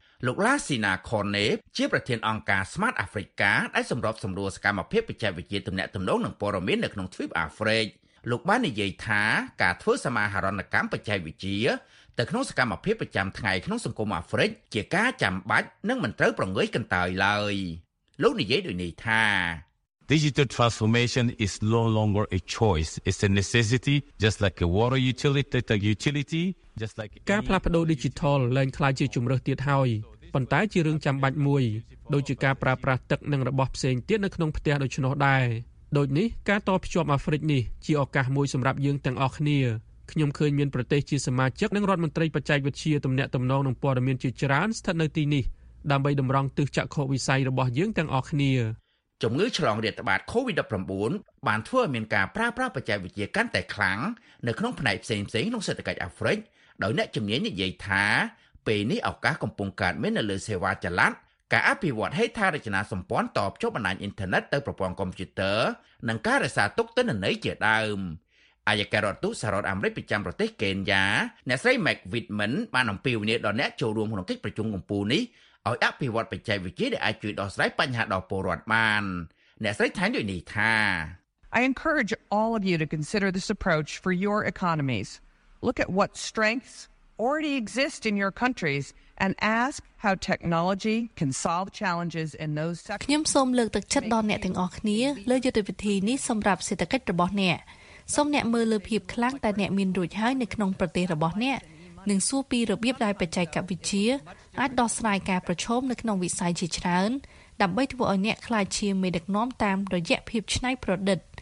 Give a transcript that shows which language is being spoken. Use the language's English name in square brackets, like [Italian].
[Khmer] លោកឡាស៊ីណាខនេជាប្រធានអង្គការ Smart Africa ដែលសម្របសម្រួលសកម្មភាពបច្ចេកវិទ្យាទំនាក់ទំនងនិងព័ត៌មាននៅក្នុងទ្វីបអាហ្វ្រិកលោកបាននិយាយថាការធ្វើសមាហរណកម្មបច្ចេកវិទ្យាទៅក្នុងសកម្មភាពប្រចាំថ្ងៃក្នុងសង្គមអាហ្វ្រិកជាការចាំបាច់និងមិនត្រូវប្រងើយកន្តើយឡើយលោកនិយាយដូចនេះថា [English] Digital transformation is no longer a choice it's a necessity just like a water utility just like [Khmer] ការផ្លាស់ប្ដូរ Digital លែងខ្លាចជាជំរើសទៀតហើយប៉ុន្តែជារឿងចាំបាច់មួយដូចជាការប្រើប្រាស់ទឹកនិងរបស់ផ្សេងទៀតនៅក្នុងផ្ទះដូច្នោះដែរដូចនេះការតភ្ជាប់អាហ្វ្រិកនេះជាឱកាសមួយសម្រាប់យើងទាំងអស់គ្នាខ្ញុំឃើញមានប្រទេសជាសមាជិកនិងរដ្ឋមន្ត្រីបច្ចេកវិទ្យាទំនាក់ទំនងនិងព័ត៌មានជាច្រើនស្ថិតនៅទីនេះដើម្បីតម្រង់ទិសចក្ខុវិស័យរបស់យើងទាំងអស់គ្នា ជំងឺឆ្លងរាតត្បាត COVID-19 បានធ្វើឲ្យមានការប្រើប្រាស់បច្ចេកវិទ្យាកាន់តែខ្លាំងនៅក្នុងផ្នែកផ្សេងៗក្នុងសេដ្ឋកិច្ចអាហ្វ្រិកដោយអ្នកជំនាញនិយាយថាពេលនេះឱកាសកំពុងកើតមាននៅលើសេវាចល័តការអភិវឌ្ឍហេដ្ឋារចនាសម្ព័ន្ធតភ្ជាប់បណ្ដាញអ៊ីនធឺណិតទៅប្រព័ន្ធកុំព្យូទ័រនិងការរក្សាទុកទិន្នន័យជាដើម អាយកាសរដ្ឋទូតសហរដ្ឋអាមេរិកប្រចាំប្រទេសកេនយ៉ាអ្នកស្រី Mac Whitman បានអំពាវនាវដល់អ្នកចូលរួមក្នុងកិច្ចប្រជុំកំពូលនេះឲ្យអភិវឌ្ឍបច្ចេកវិទ្យាដែលអាចជួយដោះស្រាយបញ្ហាដល់ពលរដ្ឋបានអ្នកស្រីថែមដូចនេះថា [English] I encourage all of you to consider this approach for your economies. Look at what strengths already exist in your countries. And ask how technology can solve challenges in those sectors. [Khmer] ខ្ញុំសូមលើកទឹកចិត្តដល់អ្នកទាំងអស់គ្នាលើយុទ្ធវិធីនេះសម្រាប់សេដ្ឋកិច្ចរបស់អ្នកសូមអ្នកមើលលើភាពខ្លាំងតែអ្នកមានរួចហើយនៅក្នុងប្រទេសរបស់អ្នកនិងសួរពីរបៀបដែលបច្ចេកវិទ្យាអាចដោះស្រាយការប្រឈមនៅក្នុងវិស័យជាច្រើនដើម្បីធ្វើឲ្យអ្នកក្លាយជាមេដឹកនាំតាមរយៈភាពច្នៃប្រឌិត